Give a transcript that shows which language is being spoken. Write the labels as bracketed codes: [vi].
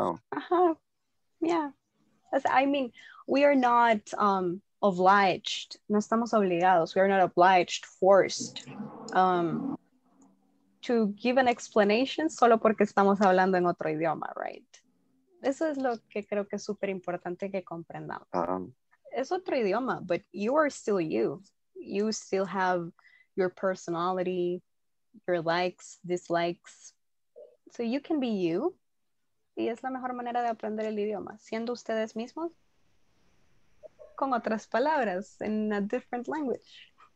[en] Ajá. Yeah. I mean, we are not obliged. [es] No estamos obligados. [en] We are not obliged, forced to give an explanation [es] solo porque estamos hablando en otro idioma, right? Eso es lo que creo que es súper importante que comprendamos. Es otro idioma, [en] but you are still you. You still have your personality, your likes, dislikes. So you can be you. [es] Y es la mejor manera de aprender el idioma, siendo ustedes mismos, con otras palabras, [en] in a different language.